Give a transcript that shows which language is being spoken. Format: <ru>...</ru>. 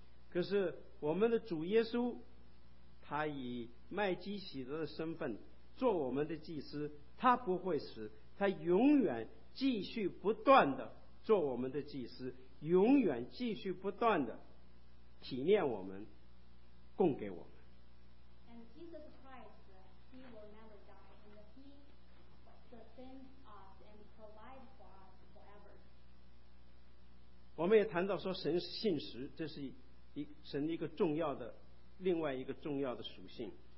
<zh>可是我们的主耶稣，他以麦基洗德的身份做我们的祭司，他不会死，他永远继续不断的做我们的祭司，永远继续不断的体念我们，供给我们。</zh> <en>And Jesus Christ, he will never die, and he sustains us and provides for us forever.</en> <zh>我们也谈到说神是信实，这是神一个重要的另外一个重要的属性。</zh>